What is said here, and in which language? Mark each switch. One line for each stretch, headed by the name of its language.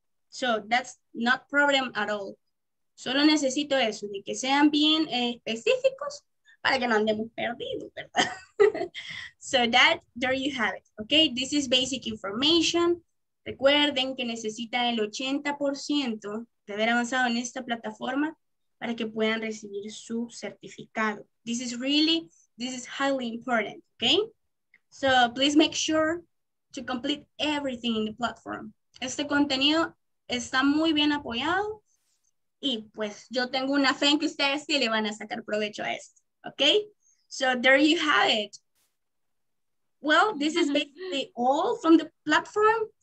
English: So that's not problem at all.
Spanish: Solo necesito eso, de que sean bien específicos para que no andemos perdidos, ¿verdad?
English: So that, there you have it, okay? This is basic information.
Spanish: Recuerden que necesita el 80% de haber avanzado en esta plataforma para que puedan recibir su certificado.
English: This is really, this is highly important, okay? So please make sure to complete everything in the platform.
Spanish: Este contenido está muy bien apoyado y pues yo tengo una fe en que ustedes sí le van a sacar provecho a esto, okay?
English: So there you have it. Well, this is basically all from the platform.